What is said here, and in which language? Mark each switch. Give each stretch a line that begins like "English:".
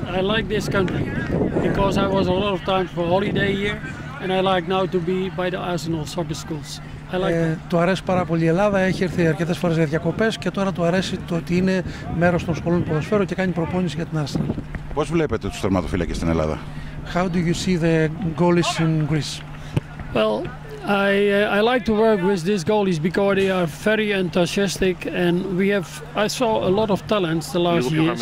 English: I like this country because I was a lot of time for holiday here and I like now to be by the Arsenal soccer schools. I like
Greek: Το αρέσει πάρα πολύ η Ελλάδα, έχει έρθει αρκετές φορές για διακοπές και τώρα του αρέσει το ότι είναι μέρος των σχολών ποδοσφαίρου και κάνει προπόνηση για την Arsenal. Πώς βλέπετε τους τερματοφύλακες στην Ελλάδα?
English: How do you see the goalies in Greece? Well, I like to work with these goalies because they are very enthusiastic and I saw a lot of talents the last year.